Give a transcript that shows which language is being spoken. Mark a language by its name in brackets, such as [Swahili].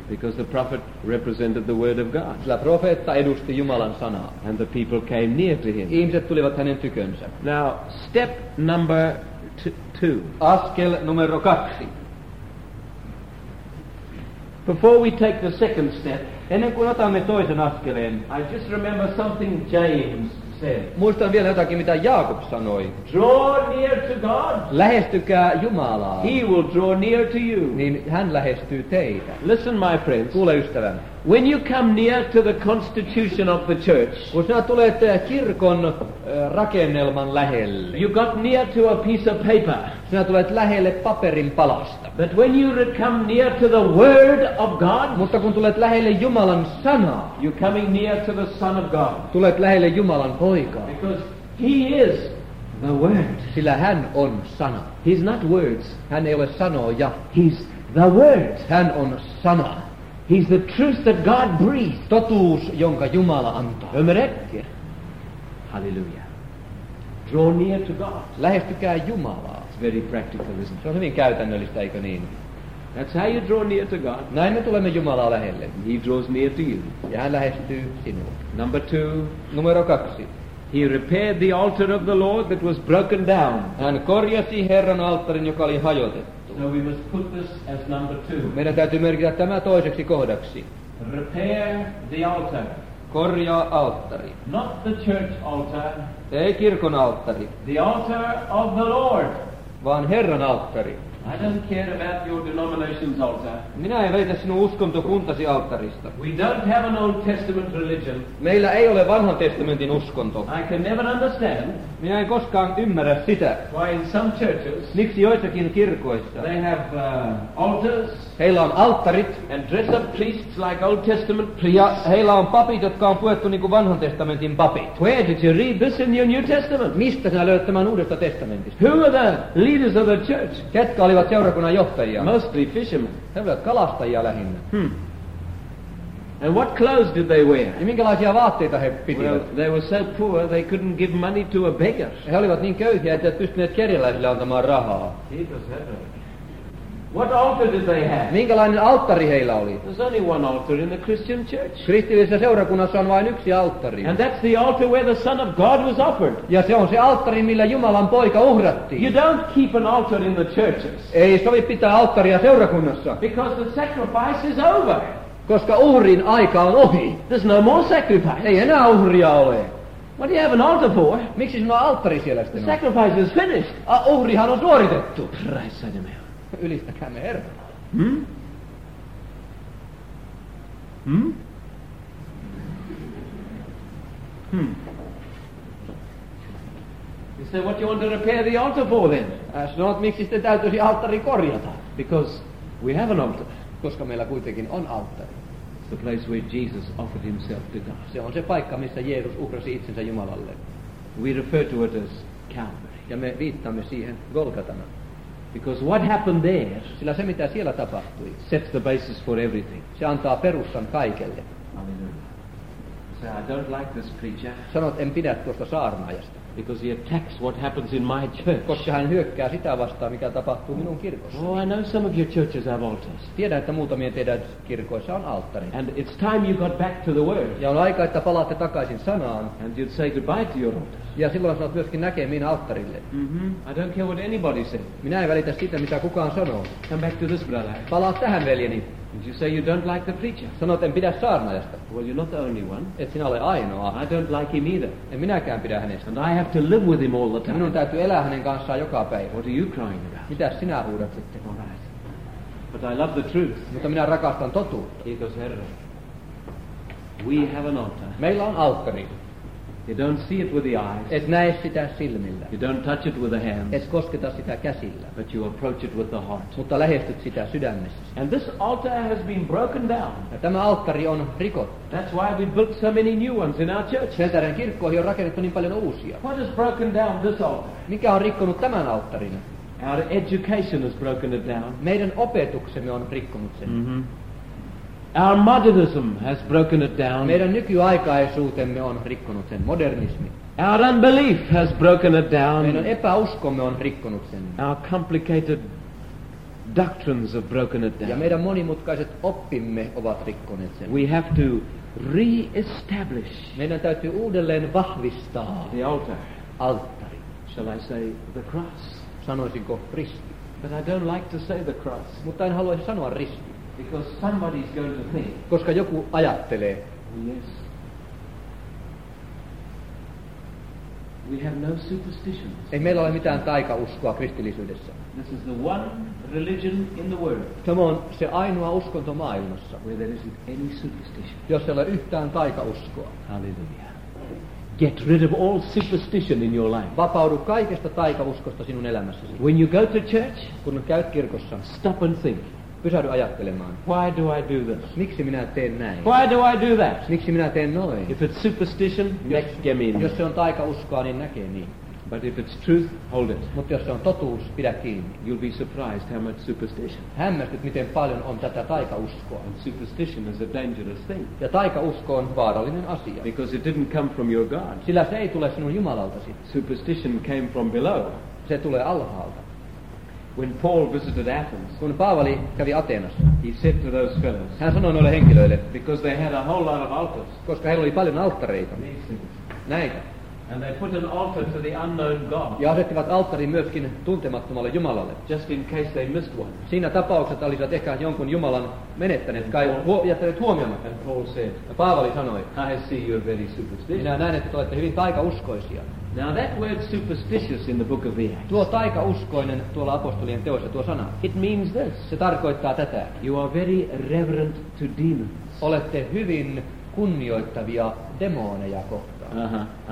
[English] Because the prophet represented the word of God. [Finnish] Sillä profeetta edusti Jumalan sanaa. [English] And the people came near to him. [Finnish] Ihmiset tulivat hänen tykönsä. [English] Now, step number two. [Finnish] Askel numero kaksi. [English] Before we take the second step, [Finnish] ennen kuin otamme toisen askeleen, [English] I just remember something James. [Finnish] Muistan vielä jotakin, mitä Jaakob sanoi. [English] Draw near to God. [Finnish] Lähestykää Jumalaa. [English] He will draw near to you. [Finnish] Niin hän lähestyy teitä. [English] Listen, my friends. [Finnish] Kuule, ystävän. [English] When you come near to the constitution of the church, [Finnish] kun sinä tulet kirkon rakennelman lähelle, [English] you got near to a piece of paper. [Finnish] Sinä tulet lähelle paperin palasta. [English] But when you come near to the word of God, [Finnish] mutta kun tulet lähelle Jumalan sanaa, [English] you're coming near to the Son of God. [Finnish] Tulet lähelle Jumalan poikaa. [English] Because he is the word. [Finnish] Sillä hän on sana. [English] He's not words. [Finnish] Hän ei ole sanoja. [English] He's the word. [Finnish] Hän on sana. [English] He's the truth that God breathed. [Finnish] Totuus, jonka Jumala antaa. Ymmärrätkö? [English] Hallelujah. Draw near to God. [Finnish] Lähestykää Jumalaa. [English] It's very practical, isn't it? [Finnish] Se on hyvin käytännöllistä, eikö niin? [English] That's how you draw near to God. [Finnish] Näin me tulemme Jumalaa lähelle. [English] He draws near to you. [Finnish] Ja hän lähestyy sinua. [English] Number two. [Finnish] Numero kaksi. [English] He repaired the altar of the Lord that was broken down. [Finnish] Hän korjasi Herran alttarin, joka oli hajotettu. [English] So we must put this as number two. [Finnish] Meidän täytyy merkitä tämä toiseksi kohdaksi. [English] Repair the altar. [Finnish] Korjaa alttari. [English] Not the church altar. [Finnish] Ei kirkon alttari. [English] The altar of the Lord. [Finnish] Vaan Herran alttari. [English] I don't care about your denomination's altar. [Finnish] Minä en välitä sinun uskontokuntasi alttarista. [English] We don't have an Old Testament religion. [Finnish] Meillä ei ole vanhan testamentin uskonto. [English] I can never understand. [Finnish] Minä en koskaan ymmärrä sitä. [English] Why in some churches? [Finnish] Miksi joissakin kirkoissa? [English] They have altars. [Finnish] Heillä on alttarit. [English] And dress up priests like Old Testament priests. [Finnish] Ja heillä on papit, jotka on puettu niin kuin vanhan testamentin papit. [English] Where did you read this in your New Testament? [Finnish] Mistä sinä löydät tämän uudesta testamentista? [English] Who are the leaders of the church? [Finnish] Ketkä olivat seurakunnan johtajia? [English] Mostly fishermen. [Finnish] He olivat kalastajia lähinnä. [English] And what clothes did they wear? [Finnish] Ja minkälaisia vaatteita he pitivät? [English] Well, they were so poor they couldn't give money to a beggar. [Finnish] He olivat niin köyhiä, että eivät pystyneet kerjäläisille antamaan rahaa. Kiitos Herralle. [English] What altar did they have? [Finnish] Minkälainen alttari heillä oli? [English] There's only one altar in the Christian church. [Finnish] Kristillisessä seurakunnassa on vain yksi alttari. [English] And that's the altar where the Son of God was offered. [Finnish] Ja se on se alttari, millä Jumalan poika uhrattiin. [English] You don't keep an altar in the churches. [Finnish] Ei sovi pitää alttaria seurakunnassa. [English] Because the sacrifice is over. [Finnish] Koska uhrin aika on ohi. [English] There's no more sacrifice. [Finnish] Ei enää uhria ole. [English] What do you have an altar for? [Finnish] Miksi sinulla alttari siellä sitten on? [English] The sacrifice is finished. [Finnish] Uhrihan on suoritettu. [English] Praise God. [Finnish] Ylistäkäämme Herraa. [English] You say what you want to repair the altar for then? [Finnish] Sanoit, miksi sitten täytyisi alttari korjata? [English] Because we have an altar. [Finnish] Koska meillä kuitenkin on alttari. [English] The place where Jesus offered himself to God. [Finnish] Se on se paikka, missä Jeesus uhrasi itsensä Jumalalle. [English] We refer to it as Calvary. [Finnish] Ja me viittaamme siihen Golgatana. [English] Because what happened there, [Finnish] sillä se mitä siellä tapahtui, [English] sets the basis for everything. [Finnish] Se antaa perustan kaikelle. [English] Say, I don't like this preacher. [Finnish] Sanot, en pidä tuosta saarnaajasta. [English] Because he attacks what happens in my church. [Finnish] Koska hän hyökkää sitä vastaan, mikä tapahtuu minun kirkossa. [English] Oh, I know some of your churches have altars. [Finnish] Tiedän, että muutamien teidän kirkoissa on alttari. [English] And it's time you got back to the word. [Finnish] Ja on aika, että palaatte takaisin sanaan. [English] And you'd say goodbye to your altar. [Finnish] Ja silloin sanot myöskin näkemiin alttarille. [English] I don't care what anybody says. [Finnish] Minä en välitä sitä, mitä kukaan sanoo. [English] Come back to this brother. [Finnish] Palaa tähän veljeni. [English] And you say you don't like the preacher. [Finnish] Sanot, en pidä saarnaajasta. [English] Well, you're not the only one. [Finnish] Et sinä ole ainoa. [English] I don't like him either. [Finnish] En minäkään pidä hänestä. [English] And I have to live with him all the time. [Finnish] Minun täytyy elää hänen kanssaan joka päivä. [English] What are you crying about? [Finnish] Mitä sinä huudat sitten? [English] All right. But I love the truth. [Finnish] Mutta minä rakastan totuutta. Kiitos Herra. [English] We have an altar. [Finnish] Meillä on alttari. [English] You don't see it with the eyes. [Finnish] Et näe sitä silmillä. [English] You don't touch it with the hands. [Finnish] Et kosketa sitä käsillä. [English] But you approach it with the heart. [Finnish] Mutta lähestyt sitä sydämessä. [English] And this altar has been broken down. [Finnish] Ja tämä alttari on rikottu. [English] That's why we built so many new ones in our church. [Finnish] Sen tähden kirkkoihin on rakennettu niin paljon uusia. [English] What has broken down this altar? [Finnish] Mikä on rikkonut tämän alttarin? [English] Our education has broken it down. [Finnish] Meidän opetuksemme on rikkonut sen. [English] Our modernism has broken it down. [Finnish] Meidän nykyaikaisuutemme on rikkonut sen, modernismi. [English] Our unbelief has broken it down. [Finnish] Meidän epäuskomme on rikkonut sen. [English] Our complicated doctrines have broken it down. [Finnish] Ja meidän monimutkaiset oppimme ovat rikkoneet sen. [English] We have to re-establish. [Finnish] Meidän täytyy uudelleen vahvistaa. [English] The altar. [Finnish] Alttari. [English] Shall I say the cross? [Finnish] Sanoisinko risti? [English] But I don't like to say the cross. [Finnish] Mutta en haluaisi sanoa risti. [English] Because somebody's going to think. [Finnish] Koska joku ajattelee. [English] Yes. We have no superstitions. [Finnish] Ei meillä ole mitään taikauskoa kristillisyydessä. [English] This is the one religion in the world. [Finnish] Tämä on se ainoa uskonto maailmassa. [English] Where there isn't any superstition. [Finnish] Jossa ei ole yhtään taikauskoa. [English] Hallelujah. Get rid of all superstition in your life. [Finnish] Vapaudu kaikesta taikauskosta sinun elämässäsi. [English] When you go to church, [Finnish] kun käyt kirkossa, [English] stop and think. [Finnish] Pysähdy ajattelemaan. [English] Why do I do this? [Finnish] Miksi minä teen näin? [English] Why do I do that? [Finnish] Miksi minä teen noin? [English] If it's superstition, [Finnish] jos se on taikauskoa, niin näkee niin. [English] But if it's truth, hold it. [Finnish] Mutta jos se on totuus, pidä kiinni. [English] You'll be surprised how much superstition. [Finnish] Hämmästyt, miten paljon on tätä taikauskoa. [English] And superstition is a dangerous thing. [Finnish] Ja taikausko on vaarallinen asia. [English] Because it didn't come from your God. [Finnish] Sillä se ei tule sinun Jumalaltasi. [English] Superstition came from below. [Finnish] Se tulee alhaalta. [English] When Paul visited Athens, [Finnish] kun Paavali kävi Ateenassa, [English] he said to those fellows, [Finnish] hän sanoi noille henkilöille, [English] because they had a whole lot of altars, [Finnish] koska heillä oli paljon alttareita, näitä, [English] And they put an altar to the unknown God. [Finnish] Ja asettivat alttarin myöskin tuntemattomalle Jumalalle. [English] Just in case they missed one. [Finnish] Siinä tapauksessa olisivat ehkä jonkun Jumalan menettäneet kai jättäneet huomioimatta. [English] And Paul said. [Finnish] Ja Paavali sanoi. [English] I see you're very superstitious. [Finnish] Minä näen, että olette hyvin taikauskoisia. [English] Now that word superstitious in the book of Acts. [Finnish] Tuo taikauskoinen tuolla apostolien teoissa tuo sana. [English] It means this. [Finnish] Se tarkoittaa tätä. [English] You are very reverent to demons. [Finnish] Olette hyvin kunnioittavia demoneja kohtaan.